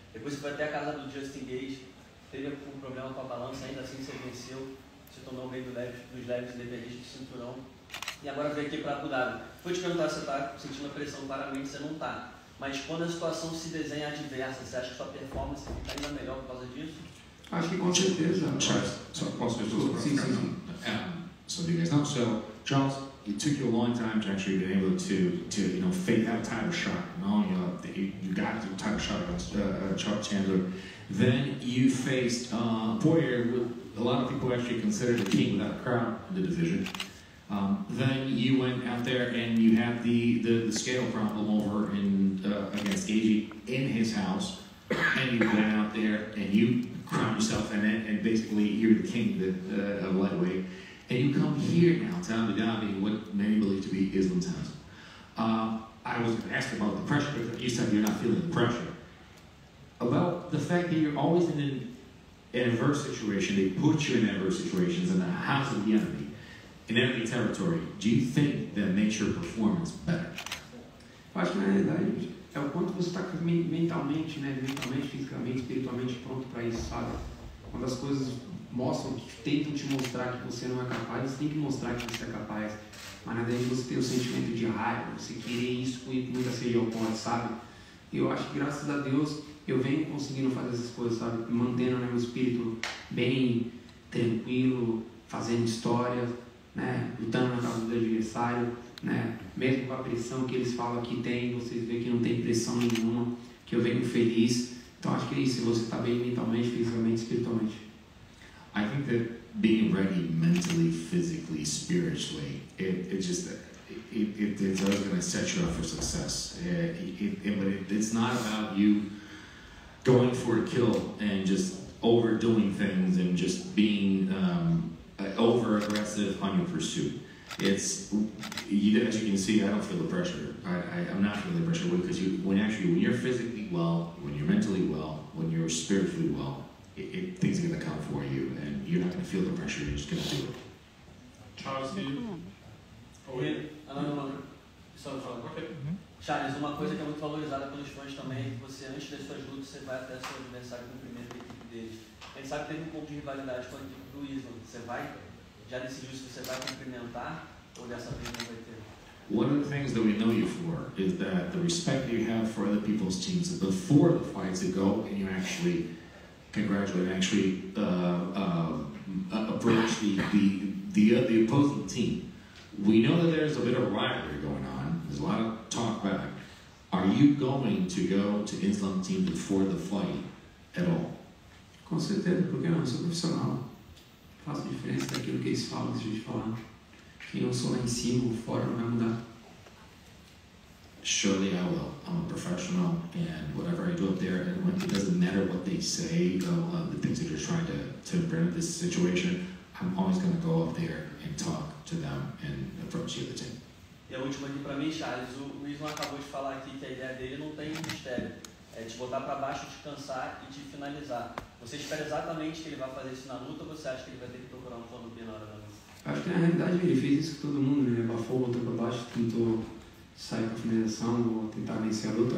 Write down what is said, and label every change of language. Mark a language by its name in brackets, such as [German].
[Portuguese] Depois você foi até a casa do Justin Gaethje, teve um problema com a balança, ainda assim você venceu, se tornou o rei dos leves e deveria de cinturão. E agora veio aqui para Abu Dhabi. Vou te perguntar se você está sentindo a pressão, claramente você não está. Mas quando a situação se desenha adversa, você acha que sua performance fica ainda melhor por causa disso? Acho que com certeza. Charles, só posso ver tudo? Sim, sim, sim. [English] So do you guys know? So, Charles, it took you a long time to actually be able to you know, fake that title shot. You got the title shot against Chuck Chandler. Then you faced Poirier, a lot of people actually considered a king without a crown in the division. Then you went out there and you had the scale problem over in against Gaethje in his house, and you went out there and you crowned yourself in it, and basically you're the king of lightweight. And you come here now to Abu Dhabi, what many believe to be Islam's house. I was going to ask about the pressure, but you said you're not feeling the pressure. About the fact that you're always in an adverse situation, they put you in adverse situations in the house of the enemy, in enemy territory, do you think that makes your performance better? [Portuguese] Eu acho que na realidade é o quanto você está mentalmente, né, mentalmente, fisicamente, espiritualmente pronto para isso, sabe? Quando as coisas mostram, que tentam te mostrar que você não é capaz, você tem que mostrar que você é capaz. Mas na verdade você tem o sentimento de raiva, você querer isso com muita sede ao pote, sabe? Eu acho que graças a Deus eu venho conseguindo fazer essas coisas, sabe? Mantendo, né, meu espírito bem tranquilo, fazendo história, né, lutando na casa do adversário, né, mesmo com a pressão que eles falam que tem, vocês veem que não tem pressão nenhuma. que eu venho feliz. Então acho que é isso, você tá bem mentalmente, fisicamente, espiritualmente. [English] I think that being ready mentally, physically, spiritually, it's always going to set you up for success. It's not about you going for a kill and just overdoing things and just being over aggressive on your pursuit. As you can see, I don't feel the pressure. I'm not feeling the pressure because when you're physically well, when you're mentally well, when you're spiritually well, things are going to come for you and you're not going to feel the pressure. You're just going to do it. Charles, do you? Oh, yeah. Another one. [Portuguese] Só pra falar. Charles, uma coisa que é muito valorizada pelos fãs também, você, antes das suas lutas, você vai até seu adversário com o primeiro equipe deles. A gente sabe que teve um pouco de rivalidade com a equipe do Islam. Você vai, já decidiu se você vai cumprimentar ou dessa vez não vai ter? [English] One of the things that we know you for is that the respect that you have for other people's teams is before the fights that go and you actually congratulate and actually approach the opposing team. We know that there's a bit of rivalry going on. There's a lot of talk back. Are you going to go to Islam team before the fight at all? [Portuguese] Com certeza, porque eu não sou profissional. Faz diferença daquilo que eles falam, se a gente falar. Quem eu sou lá em cima ou fora não vai mudar. [English] Surely I will. I'm a professional, and whatever I do up there, and when it doesn't matter what they say, the things that are trying to prevent this situation, I'm always going to go up there and talk to them and approach the other team. [Portuguese] E a última aqui para mim, Charles, o Luiz não acabou de falar aqui que a ideia dele não tem mistério. É te botar para baixo, te cansar e te finalizar. Você espera exatamente que ele vai fazer isso na luta ou você acha que ele vai ter que procurar um plano B na hora da luta? Acho que na realidade ele fez isso com todo mundo, ele abafou, botou para baixo, tentou sair com a finalização ou tentar vencer a luta.